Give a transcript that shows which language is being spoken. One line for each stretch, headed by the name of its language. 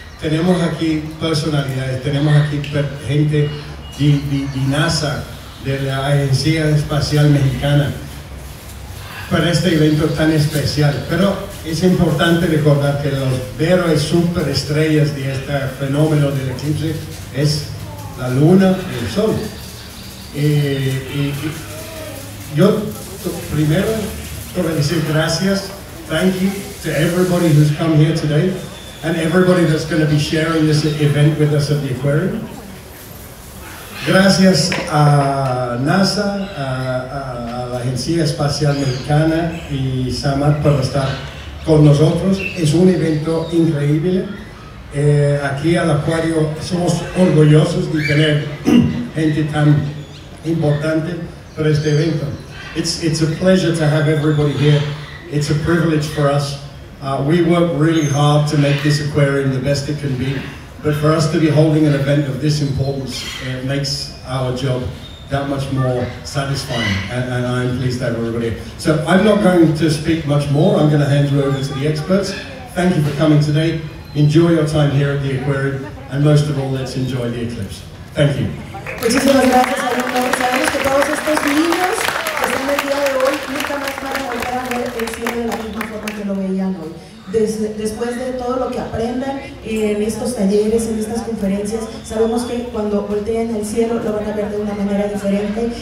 Spanish: Tenemos aquí personalidades, tenemos aquí gente de NASA, de la Agencia Espacial Mexicana, para este evento tan especial. Pero es importante recordar que los veros superestrellas de este fenómeno del Eclipse es la Luna y el Sol. Primero quiero decir gracias,
English: thank you to everybody who's come here today and everybody that's going to be sharing this event with us at the Aquarium.
Spanish: Gracias a NASA, a la Agencia Espacial Mexicana y SAMAR por estar con nosotros. Es un evento increíble. Aquí al Acuario somos orgullosos de tener gente tan importante para este evento.
English: It's a pleasure to have everybody here. It's a privilege for us. We work really hard to make this aquarium the best it can be, but for us to be holding an event of this importance makes our job that much more satisfying, and I'm pleased that we're here. So I'm not going to speak much more. I'm going to hand you over to the experts. Thank you for coming today. Enjoy your time here at the Aquarium, and most of all, let's enjoy the eclipse. Thank you.
Spanish: Muchísimas gracias a todos. Sabemos que todos estos niños que están el día de hoy nunca más van a volver a ver el cielo de la misma forma que lo veían hoy. Después de todo lo que aprendan en estos talleres, en estas conferencias, sabemos que cuando voltean al cielo lo van a ver de una manera diferente.